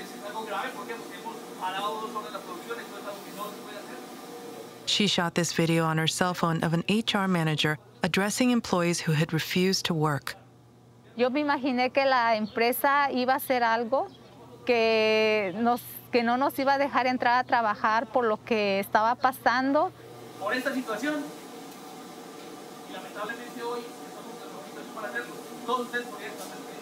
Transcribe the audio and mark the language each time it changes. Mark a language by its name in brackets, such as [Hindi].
[Spanish] Es algo grave porque hemos parado dos horas la producción, entonces algo que no se puede hacer. [English] She shot this video on her cell phone of an HR manager addressing employees who had refused to work. [Spanish] Yo me imaginé que la empresa iba a hacer algo que no nos iba a dejar entrar a trabajar por lo que estaba pasando. Por esta situación, y lamentablemente hoy estamos en la situación para hacerlo, todos ustedes podrían hacerlo.